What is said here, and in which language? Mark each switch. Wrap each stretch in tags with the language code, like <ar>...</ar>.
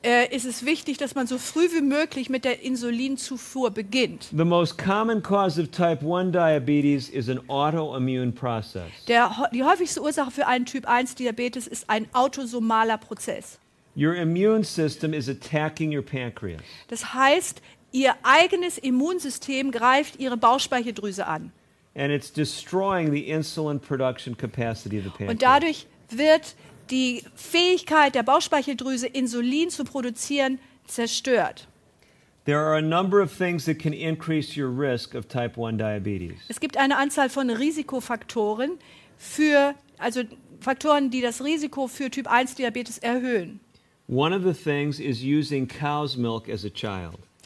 <de>Ist es wichtig, dass man so früh wie möglich mit der Insulinzufuhr beginnt.</de> <en>The most common cause of type 1 diabetes is an autoimmune process.</en> <de>Die häufigste Ursache für einen Typ 1 Diabetes ist ein autosomaler Prozess.</de> <en>Your immune system is attacking your pancreas.</en> <de>Das heißt, ihr eigenes Immunsystem greift ihre Bauchspeicheldrüse an.</de> <en>And it's destroying the insulin production capacity of the pancreas.</en> <de>Und dadurch wird die Fähigkeit der Bauchspeicheldrüse, Insulin zu produzieren, zerstört.</de> <en>There are a number of things that can increase your risk of type 1 diabetes.</en> <de>Es gibt eine Anzahl von Risikofaktoren für, also Faktoren, die das Risiko für Typ 1 Diabetes erhöhen.</de> <en>One of the things is using cow's milk as a child.</en>